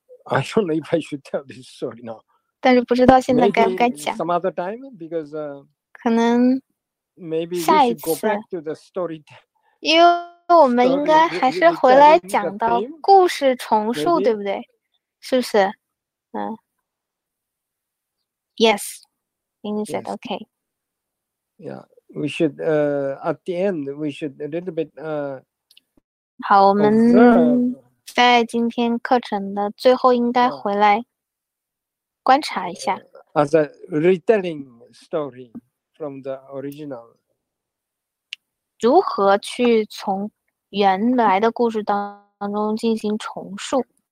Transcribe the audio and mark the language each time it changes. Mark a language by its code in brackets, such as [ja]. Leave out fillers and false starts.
[en] I don't know if I should tell this story now. [zh] 但是不知道现在该不该讲。 [en] Maybe some other time, because [zh] 可能 [en] maybe we should go back to the story. [zh] 因为我们应该还是回来讲到故事重述，对不对？是不是？嗯。 [en] Yes, Lindy said okay. Yeah, we should at the end we should a little bit [zh] 好，我们。在今天课程的最后应该回来观察一下。 [en] As a retelling story from the original. [zh] 如何去从原来的故事当中进行重述。